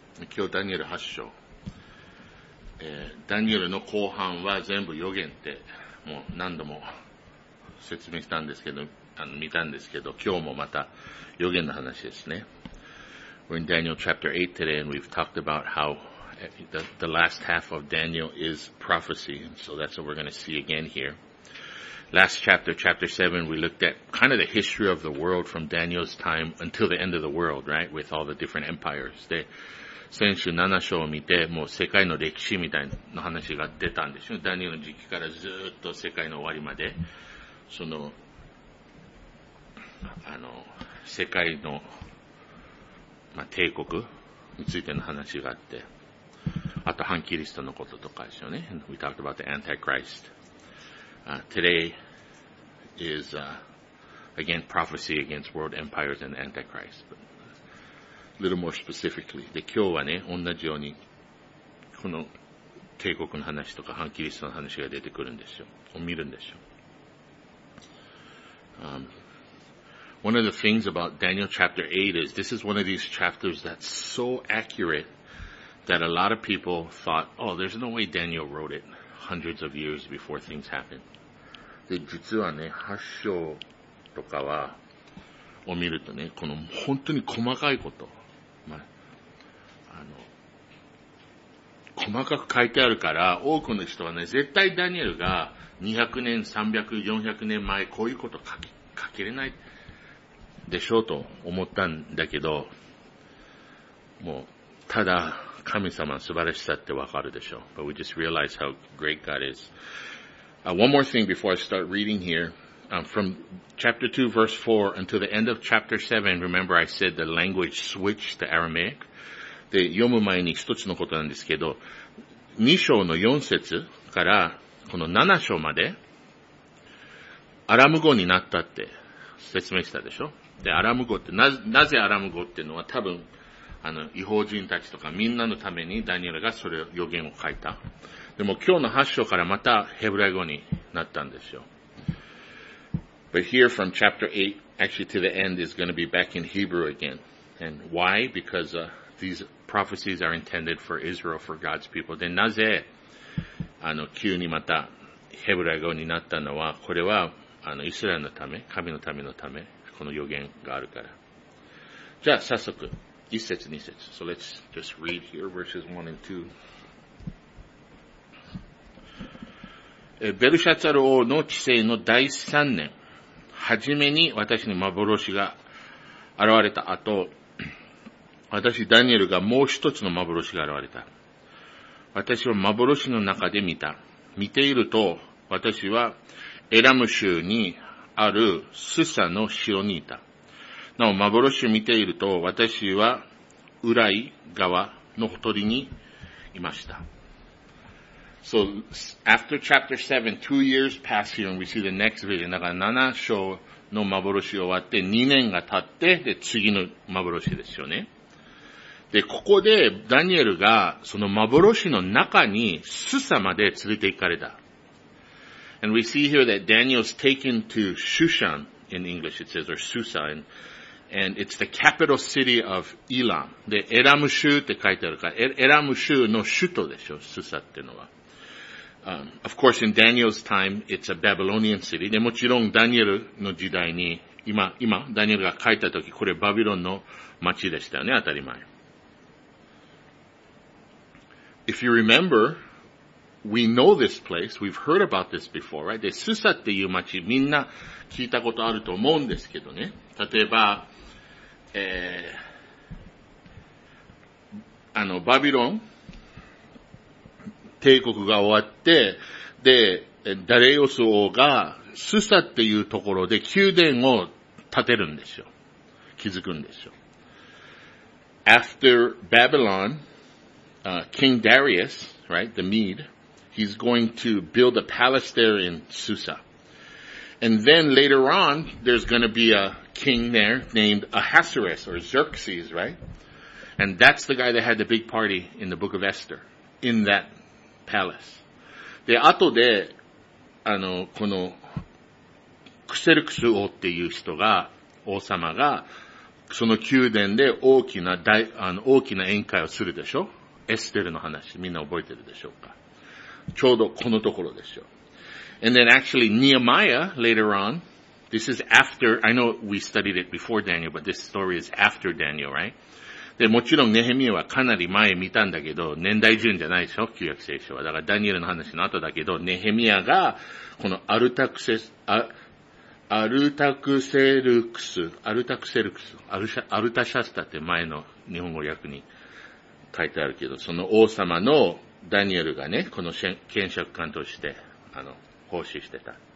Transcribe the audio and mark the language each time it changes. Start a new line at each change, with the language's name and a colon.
Japanese: 今日ダニエル8章、ダニエルの後半は全部予言ってもう何度も説明したんですけど、見たんですけど、今日もまた予言の話ですね。
English: We're in Daniel chapter 8 today and we've talked about how the last half of Daniel is prophecy, so that's what we're going to see again here. Last chapter, chapter 7, we looked at kind of the history of the world from Daniel's time until the end of the world, right, with all the different empires.
Japanese: で、先週7章を見て、もう世界の歴史みたいな話が出たんですよ。ダニエルの時期からずっと世界の終わりまで、その、世界の、まあ、帝国についての話があって、あと反キリストのこととかですよね。
English: We talked about the Antichrist. Today is, again, prophecy against world empires and Antichrist. But a little more specifically.
Japanese: で、今日はね、同じように、この帝国の話とか反キリストの話が出てくるんですよ。を見るんですよ。
English: One of the things about Daniel chapter 8 is this is one of these chapters that's so accurate that a lot of people thought, oh, there's no way Daniel wrote it hundreds of years before things happened.
Japanese: で、実はね、8章とかは、を見るとね、この本当に細かいこと、まあ、細かく書いてあるから、多くの人はね、絶対ダニエルが200年、300、400年前、こういうこと書けれないでしょうと思ったんだけど、もう、ただ、神様の素晴らしさってわかるでしょう。
English: But we just realize how great God is. One more thing before I start reading here. From chapter 2, verse 4, until the end of chapter 7, remember I said the language switched to Aramaic?
Japanese: で、読む前に一つのことなんですけど、2章の4節から、この7章まで、アラム語になったって説明したでしょ。で、アラム語って、なぜアラム語っていうのは多分、違法人たちとかみんなのためにダニエルがそれを予言を書いた。でも今日の8章からまたヘブライ語になったんですよ。
English: But here from chapter 8, actually to the end, is going to be back in Hebrew again. And why? Because, these prophecies are intended for Israel, for God's people.
Japanese: で、なぜ、急にまたヘブライ語になったのは、これは、イスラエルのため、神のためのため、この予言があるから。じゃあ、早速、1節、2節。
English: So let's just read here, verses 1 and 2.
Japanese: ベルシャツァル王の治世の第3年。はじめに私に幻が現れた後、私ダニエルがもう一つの幻が現れた。私は幻の中で見た。見ていると私はエラム州にあるスサの城にいた。なお幻を見ていると私はウライ川のほとりにいました。
English: So, after chapter 7, 2 years pass here and we see the next vision.
Japanese: だから7章の幻を終わって2年が経って、で、次の幻ですよね。で、ここでダニエルがその幻の中にスサまで連れて行かれた。
English: And we see here that Daniel's taken to Shushan in English, it says, or Susa, and it's the capital city of Elam.
Japanese: で、エラム州って書いてあるから、エラム州の首都でしょ、スサってのは。
English: Of course, in Daniel's time, it's a Babylonian city.
Japanese: で、もちろん、ダニエルの時代に、今、ダニエルが書いた時、これバビロンの町でしたよね、当たり前。
English: If you remember, we know this place, we've heard about this before, right?
Japanese: で、スサっていう町、みんな聞いたことあると思うんですけどね。例えば、バビロン、帝国が終わって、で、ダレイオス王が、スサっていうところで宮殿を建てるんですよ。築くんですよ。
English: After Babylon, King Darius, right, the Mede, he's going to build a palace there in Susa. And then later on, there's going to be a king there named Ahasuerus, or Xerxes, right? And that's the guy that had the big party in the book of Esther, in that palace.
Japanese: で、後で、このクセルクス王っていう人が、王様が、その宮殿で大きな大、あの、大きな宴会をするでしょ？エステルの話、みんな覚えてるでしょうか？ちょうどこのところですよ。
English: And then actually, Nehemiah, later on, this is after, I know we studied it before Daniel, but this story is after Daniel, right?
Japanese: で、もちろん、ネヘミヤはかなり前見たんだけど、年代順じゃないでしょ？旧約聖書は。だから、ダニエルの話の後だけど、ネヘミヤが、このアルタシャスタって前の日本語訳に書いてあるけど、その王様のダニエルがね、この検釈官として、あの、奉仕してた。